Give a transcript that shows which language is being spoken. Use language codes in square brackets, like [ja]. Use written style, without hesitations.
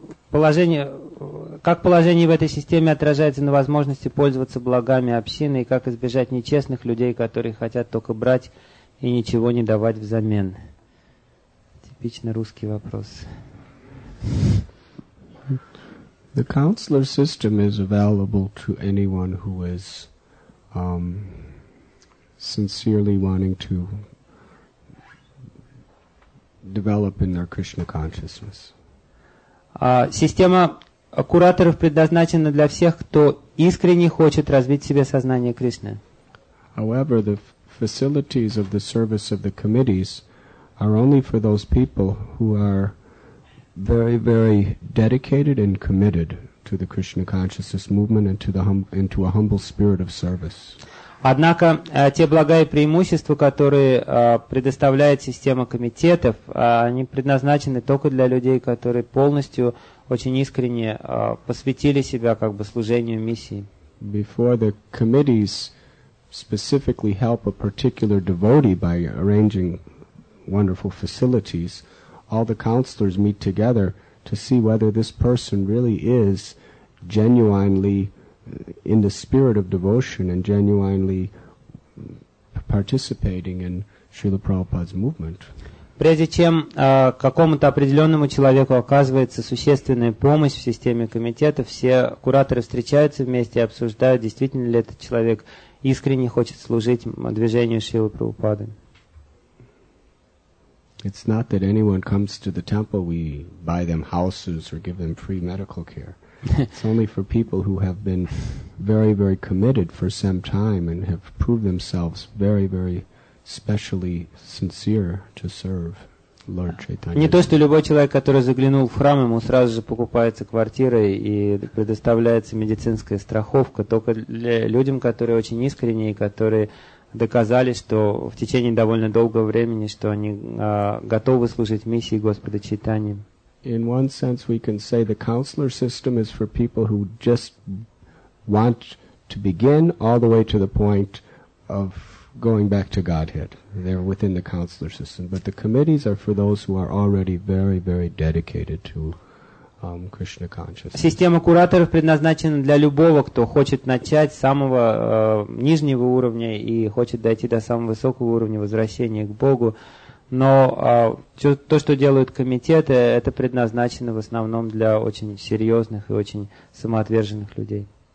[ru] Как положение в этой системе отражается на возможности пользоваться благами общины и как избежать нечестных людей, которые хотят только брать и ничего не давать взамен? Типично русский вопрос. [en] The counselor system is available to anyone who is sincerely wanting to develop in their Krishna consciousness. [ru] Система кураторов предназначена для всех, кто искренне хочет развить в себе сознание Кришны. [en] However, the facilities of the service of the committees are only for those people who are very, very dedicated and committed to the Krishna consciousness movement and to the into a humble spirit of service. [ru] Однако те блага и преимущества, которые предоставляет система комитетов, они предназначены только для людей, которые полностью, очень искренне посвятили себя как бы служению миссии. [en] Before the committees specifically help a particular devotee by arranging wonderful facilities, all the counselors meet together to see whether this person really is genuinely in the spirit of devotion and genuinely participating in Srila Prabhupada's movement. [ru] Прежде чем какому-то определенному человеку оказывается существенная помощь в системе комитета, все кураторы встречаются вместе и обсуждают, действительно ли этот человек искренне хочет служить движению Шрилы Прабхупады. [en] It's not that anyone comes to the temple, we buy them houses or give them free medical care. It's only for people who have been very, very committed for some time and have proved themselves very, very specially sincere to serve Lord Chaitanya. [ru] Не то, что любой человек, который заглянул в храм, ему сразу же покупается квартира и предоставляется медицинская страховка, только для людям, которые очень искренне и которые доказали, что в течение довольно долгого времени, что они готовы служить миссии Господа Чайтаньи. [en] In one sense, we can say the counselor system is for people who just want to begin all the way to the point of going back to Godhead. They're within the counselor system. But the committees are for those who are already very, very dedicated to Krishna consciousness. [ru] Система кураторов предназначена для любого, кто хочет начать с самого нижнего уровня и хочет дойти до самого высокого уровня возвращения к Богу. Но то, что делают комитеты, это предназначено в основном для очень серьезных и очень самоотверженных людей.